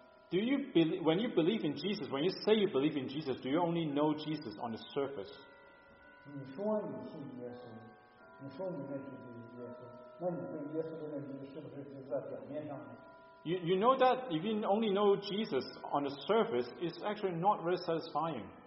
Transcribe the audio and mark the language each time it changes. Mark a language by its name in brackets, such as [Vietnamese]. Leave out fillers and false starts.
[English] Do you believe, when you believe in Jesus, when you say you believe in Jesus, do you only know Jesus on the surface? [Chinese] 你说你信耶稣，你说你认识耶稣，那你对耶稣的认识是不是就在表面上呢？ [English] You know that if you only know Jesus on the surface, it's actually not very satisfying.